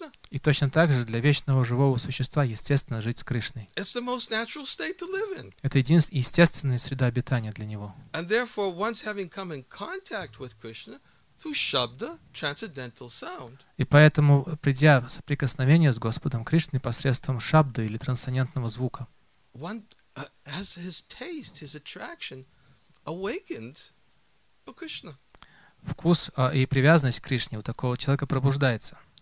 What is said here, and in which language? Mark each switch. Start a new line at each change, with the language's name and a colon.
Russian: И точно так же для вечного живого существа естественно жить с Кришной. Это единственный естественный среда обитания для него.
English: And therefore, once having come in contact with Krishna through shabda, transcendental sound.
Russian: И поэтому, придя в соприкосновение с Господом Кришной посредством шабды или трансцендентного звука,
English: one has his taste, his attraction awakened for Krishna.
Russian: Вкус и привязанность к Кришне у такого человека пробуждается.